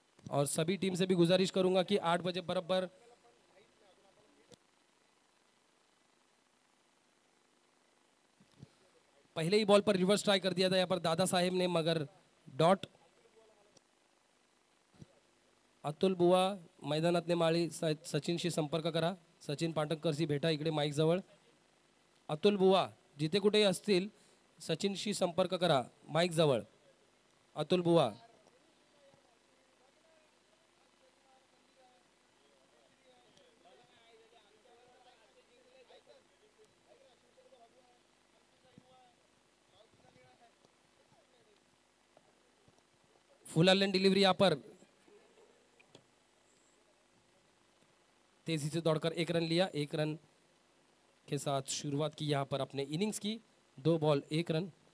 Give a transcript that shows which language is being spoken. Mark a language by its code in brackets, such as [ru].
[hi] और सभी टीम से भी गुजारिश करूंगा कि 8 बजे बराबर पहले ही बॉल पर रिवर्स ट्राई कर दिया था यहाँ पर दादा साहेब ने, मगर डॉट। [mr] अतुल बुआ मैदानात ने माळी सचिनशी संपर्क करा, सचिन पाटणकरशी भेटा इकडे माईक जवळ। अतुल बुआ जिथे कुठे असतील सचिनशी संपर्क करा माईक जवळ। [hi] अतुल बुआ फुल आलन डिलीवरी यहाँ पर तेजी से दौड़कर एक रन लिया, एक रन के साथ शुरुआत की यहाँ पर अपने इनिंग्स की, 2 बॉल 1 रन।